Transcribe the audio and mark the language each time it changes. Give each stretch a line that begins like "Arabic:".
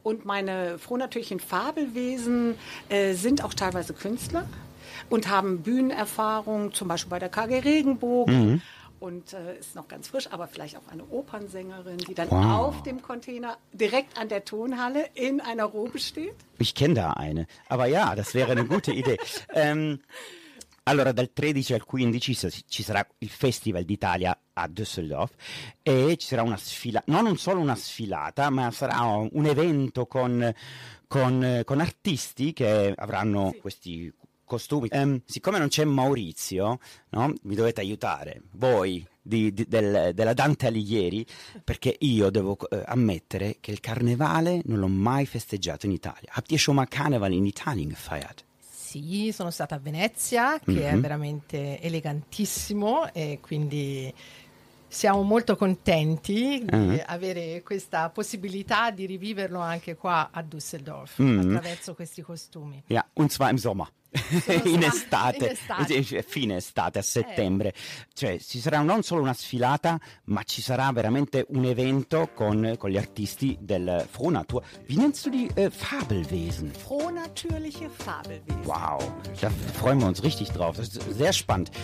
German: Und meine frohnatürlichen Fabelwesen sind auch teilweise Künstler und haben Bühnenerfahrung, zum Beispiel bei der KG Regenbogen. Mhm. Und ist noch ganz frisch, aber vielleicht auch eine Opernsängerin, die dann wow. auf dem Container direkt an der Tonhalle in einer Robe steht. Ich kenne da eine, aber ja, das wäre eine gute Idee.
Italian: Allora, dal 13 al 15 ci sarà il Festival d'Italia a Düsseldorf e ci sarà una sfila, non solo una sfilata, ma sarà un evento con artisti che avranno sì. questi costumi. Siccome non c'è Maurizio, no? Mi dovete aiutare, voi, della Dante Alighieri, perché io devo ammettere che il carnevale non l'ho mai festeggiato in Italia.
German: Habt ihr schon mal Karneval in Italien gefeiert?
Italian: Sì, sono stata a Venezia, che mm-hmm. è veramente elegantissimo e quindi siamo molto contenti di avere questa possibilità di riviverlo anche qua a Düsseldorf attraverso questi costumi.
German: Ja, und zwar im Sommer.
Italian: In estate. Fine estate, a settembre. Cioè, ci sarà non solo una sfilata, ma ci sarà veramente un evento con gli artisti del Frohnatur.
German: Wie nennst du die Fabelwesen? Frohnatürliche Fabelwesen. Wow, da freuen wir uns richtig drauf. Das ist sehr spannend.